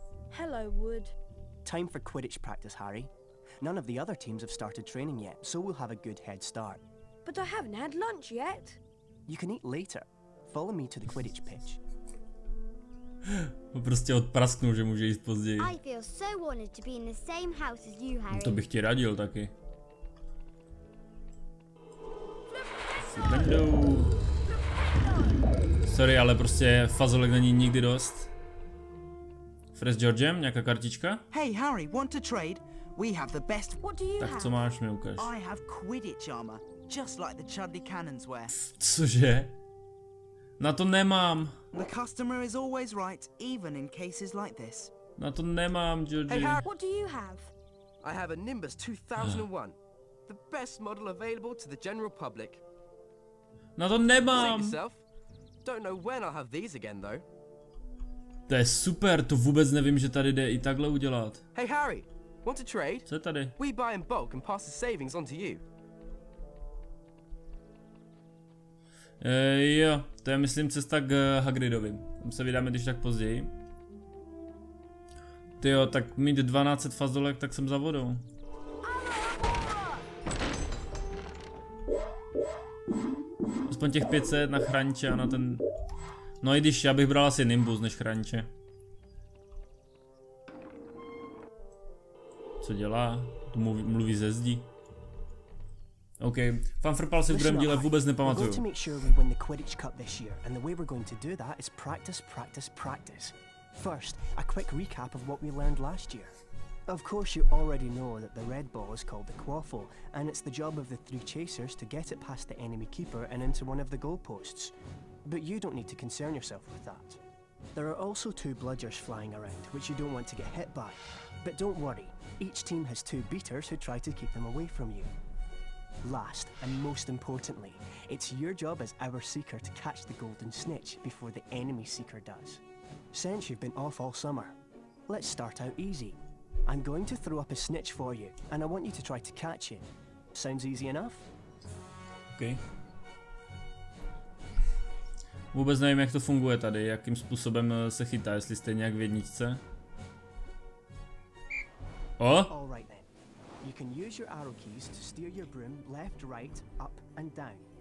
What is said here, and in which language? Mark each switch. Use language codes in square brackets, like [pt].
[en] Hello, Wood. Time for Quidditch practice, Harry. None of the other teams have started training yet, so we'll have a good head start. But I haven't had lunch yet. You can eat later. Follow me to the Quidditch pitch. [cs] Prostě odprasknu, že může jít později. [en] I feel so honored to be in the same house as you, Harry. [cs] No to bych ti radil taky. Sorry, ale prostě fazolek není nikdy dost. Fres Georgem, nějaká kartička? [en] Hey Harry, want to trade? We have the best. What do you [cs] tak [en] have? [cs] Co máš, mi ukáž. [en] I have Quidditch armor, just like the Chudley cannons wear. [cs] Cože? Na to nemám. [en] The customer is always right, even in cases like this. [cs] Na to nemám, Georgie. [en] Hey Harry, what do you have? I have a Nimbus 2001, the best model available to the general public. [cs] Na to nemám. [en] Don't know when I'll have these again, though. [cs] To je super, to vůbec nevím, že tady jde i takhle udělat. [en] Hey Harry, want to trade? [cs] Co je tady? [en] We buy in bulk and pass the savings on to you. [cs] Jo, to je myslím cesta k Hagridovi. Tam se vydáme když tak později. Ty jo, tak mít 1200 fazolek, tak jsem za vodou. Aspoň těch 500 na chraniče a na ten... No i když, já bych bral asi Nimbus než chraniče. Co dělá? To mluví ze zdi. OK. Fanfrpal se v druhém díle vůbec nepamatuju. [en] To make sure we win the Quidditch Cup this year, and the way we're going to do that is practice, practice, practice. First, a quick recap of what we learned last year. Of course, you already know that the red ball is called the quaffle, and it's the job of the three chasers to get it past the enemy keeper and into one of the goalposts. But you don't need to concern yourself with that. There are also two bludgers flying around, which you don't want to get hit by. But don't worry, each team has two beaters who try to keep them away from you. Last, and most importantly, it's your job as our seeker to catch the golden snitch before the enemy seeker does. Since you've been off all summer, let's start out easy. I'm going to throw up a snitch for you, and I want you to try to catch it. Sounds easy enough? Okay. [cs] Vůbec nevím, jak to funguje tady, jakým způsobem se chytá, jestli stejně jak v jedničce. [en] O? All right then. You can use your arrow keys to steer your broom left, right, up and down.